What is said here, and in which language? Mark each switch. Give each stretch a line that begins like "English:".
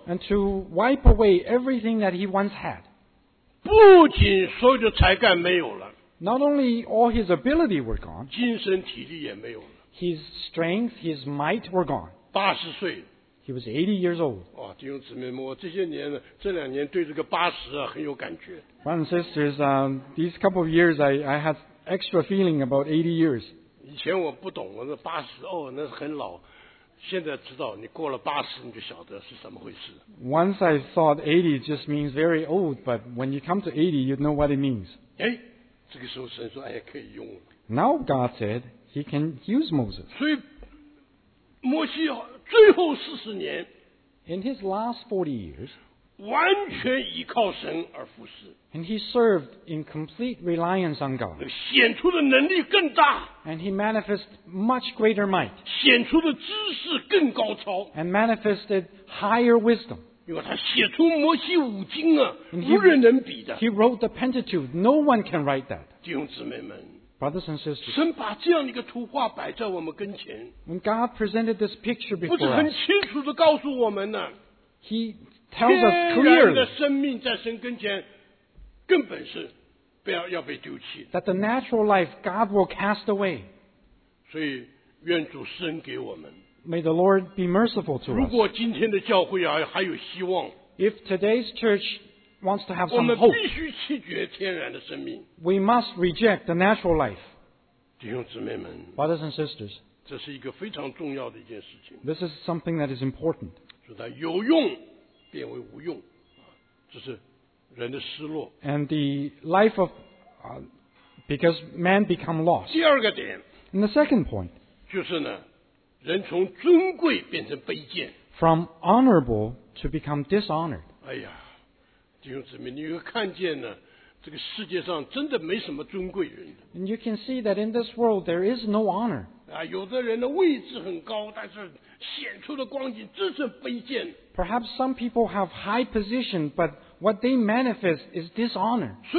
English: and to wipe away everything that he once had.
Chinese: 不仅所有的才干没有了,
English: not only all his ability were gone,
Chinese: 精神体力也没有了,
English: his strength, his might were gone.
Chinese: 80岁,
English: he was 80 years old.
Chinese: 哇, 弟兄姊妹们, 我这些年这两年对这个80很有感觉。
English: Brothers and sisters, these couple of years I had extra feeling about 80 years.
Chinese: 以前我不懂, 我是80, 哦, 那是很老, 现在知道, 你过了80, 你就晓得是什么回事。
English: Once I thought 80 just means very old, but when you come to 80, you know what it means.
Chinese: 诶, 这个时候神说, 哎, 可以用了。
English: Now God said he can use Moses.
Chinese: 所以摩西最后40年,
English: in his last 40 years,
Chinese: 完全依靠神而服侍,
English: and he served in complete reliance on God.
Chinese: 显出的能力更大,
English: and he manifested much greater might.
Chinese: 显出的知识更高超,
English: and manifested higher wisdom.
Chinese: 因为他写出摩西五经啊,
English: and he
Chinese: 无人能比的,
English: he wrote the Pentateuch. No one can write that.
Chinese: 弟兄姊妹们,
English: brothers and sisters,
Chinese: 神把这样的一个图画摆在我们跟前,
English: when God presented this picture before us,
Chinese: 不是很清楚地告诉我们啊,
English: he tells us clearly,
Chinese: 天然的生命在神跟前, 根本是不要被丢弃,
English: that the natural life God will cast away.
Chinese: 所以愿主施恩给我们,
English: may the Lord be merciful to us.
Chinese: 如果今天的教会还有希望,
English: if today's church wants to have some hope,
Chinese: 我们必须弃绝天然的生命,
English: we must reject the natural life.
Chinese: 弟兄姊妹们,
English: brothers and sisters,
Chinese: 这是一个非常重要的一件事情,
English: this is something that is important.
Chinese: 所以它有用变为无用, 这是人的失落,
English: and the life of because man become lost.
Chinese: 第二个点,
English: and the second point,
Chinese: 就是呢, 人从尊贵变成卑贱,
English: from honorable to become dishonored.
Chinese: 哎呀, 弟兄姊妹, 你又看见呢, 这个世界上真的没什么尊贵人的,
English: and you can see that in this world there is no honor.
Chinese: 啊, 有的人的位置很高, 但是显出的光景真是卑贱,
English: perhaps some people have high position, but what they manifest is dishonor.